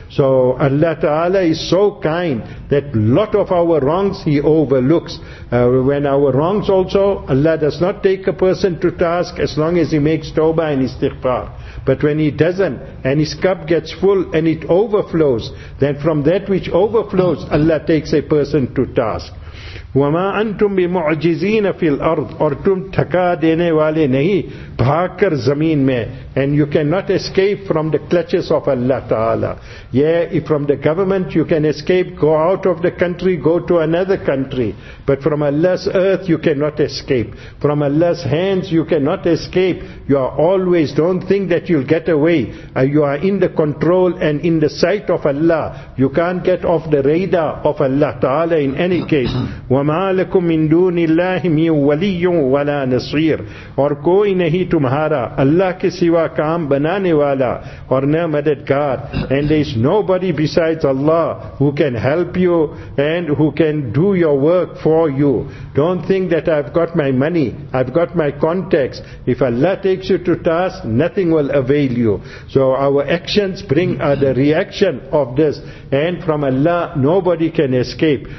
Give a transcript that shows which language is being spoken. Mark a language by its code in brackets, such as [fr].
[en] So Allah Ta'ala is so kind that lot of our wrongs He overlooks. When our wrongs also, Allah does not take a person to task as long as he makes tawbah and istighfar. But when he doesn't, and his cup gets full and it overflows, then from that which overflows, Allah takes a person to task. [ar] وَمَا أَنْتُمْ بِمُعْجِزِينَ فِي الْأَرْضِ [ur] اور تم تھکا دینے والے نہیں بھاگ کر زمین میں. [en] And you cannot escape from the clutches of Allah Ta'ala. Yeah, if from the government you can escape, go out of the country, go to another country. But from Allah's earth you cannot escape. From Allah's hands you cannot escape. You are always, don't think that you'll get away. You are in the control and in the sight of Allah. You can't get off the radar of Allah Ta'ala in any case. [ar] وَمَا لَكُمْ مِن دُونِ اللَّهِ مِن وَلِيٌّ وَلَا نَصِيرٌ [ur] اور کوئی نہیں تمہارا اللہ کے سوا کام بنانے والا اور نہ مددگار. [en] And there is nobody besides Allah who can help you and who can do your work for you. Don't think that I've got my money, I've got my contacts. If Allah takes you to task, nothing will avail you. So our actions bring the reaction of this, and from Allah nobody can escape.